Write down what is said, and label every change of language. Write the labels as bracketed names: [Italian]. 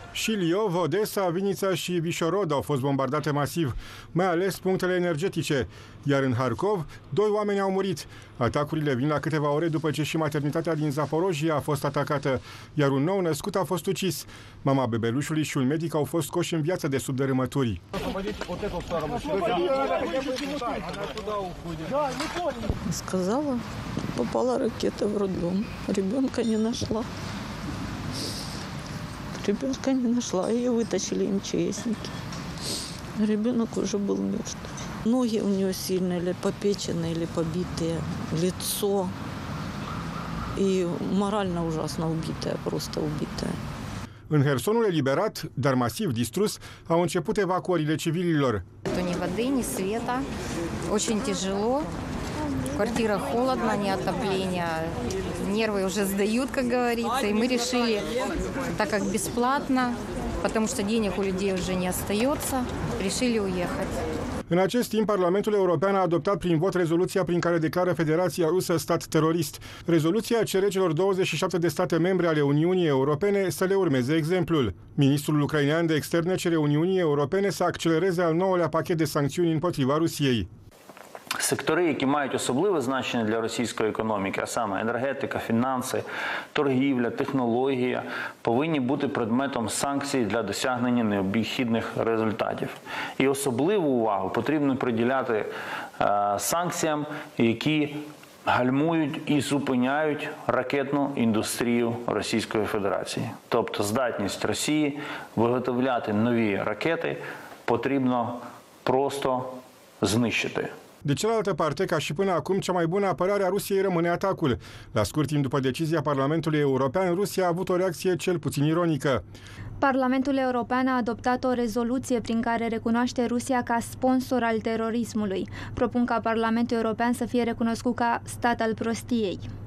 [Romanian] Și Lviv, Odessa, Vinița și Vișorod au fost bombardate masiv, mai ales punctele energetice. Iar în Harkov, doi oameni au murit. Atacurile vin la câteva ore după ce și maternitatea din Zaporojia a fost atacată, iar un nou născut a fost ucis. Mama bebelușului și un medic au fost scoși în viață de sub dărâmături. [Russian] Сказала, попала ракета в роддом. Ребенка не нашла. Ребенка не нашла. Ее вытащили МЧСники. Ребенок уже был мертв. Ноги у нее сильно или попечены, или побитые. Лицо. И морально ужасно убитое, просто убитое. [Romanian] În Hersonul eliberat, dar masiv distrus, au început evacuările civililor. [Russian] Ни воды, ни света. Очень тяжело. Квартира холодна, ни отопления. Нервы уже сдают, как говорится. И мы решили, так как бесплатно, потому что денег у людей уже не остается, решили уехать. [Romanian] În acest timp, Parlamentul European a adoptat prin vot rezoluția prin care declară Federația Rusă stat terorist. Rezoluția cere celor 27 de state membre ale Uniunii Europene să le urmeze exemplul. Ministrul ucrainean de externe cere Uniunii Europene să accelereze al nouălea pachet de sancțiuni împotriva Rusiei. Sectori care au [Ukrainian] особливе значення для російської економіки, а саме енергетика, фінанси, торгівля, технологія, повинні бути предметом санкцій для досягнення необхідних результатів. І особливу увагу потрібно приділяти санкціям, які гальмують і зупиняють ракетну індустрію Російської Федерації. Тобто здатність Росії виготовляти нові ракети потрібно просто знищити. [Romanian] De cealaltă parte, ca și până acum, cea mai bună apărare a Rusiei rămâne atacul. La scurt timp după decizia Parlamentului European, Rusia a avut o reacție cel puțin ironică. Parlamentul European a adoptat o rezoluție prin care recunoaște Rusia ca sponsor al terorismului. Propun ca Parlamentul European să fie recunoscut ca stat al prostiei.